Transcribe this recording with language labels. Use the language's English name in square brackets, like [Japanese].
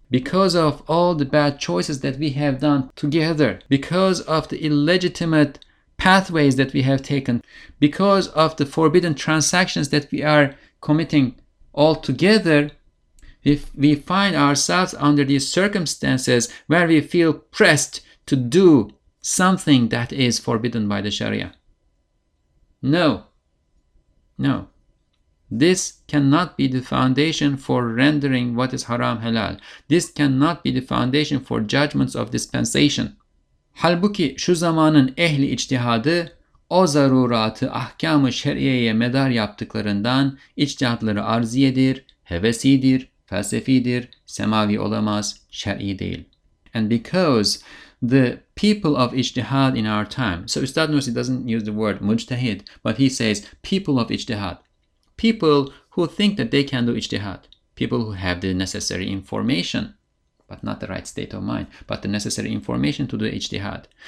[English] Because of all the bad choices that we have done together, because of the illegitimate pathways that we have taken, because of the forbidden transactions that we are committing all together, if we find ourselves under these circumstances where we feel pressed to do something that is forbidden by the Sharia. No. This cannot be the foundation for rendering what is haram halal. This cannot be the foundation for judgments of dispensation. [Turkish] Halbuki şu zamanın ehli içtihadı o zaruratı ahkam-ı şer'iyeye medar yaptıklarından içtihadları arziyedir, hevesidir, felsefidir, semavi olamaz, şer'i değil. [English] And because the people of içtihad in our time, so Üstad Nursi doesn't use the word mujtahid, but he says people of içtihad. People who think that they can do ijtihad. People who have the necessary information, but not the right state of mind, but the necessary information to do ijtihad.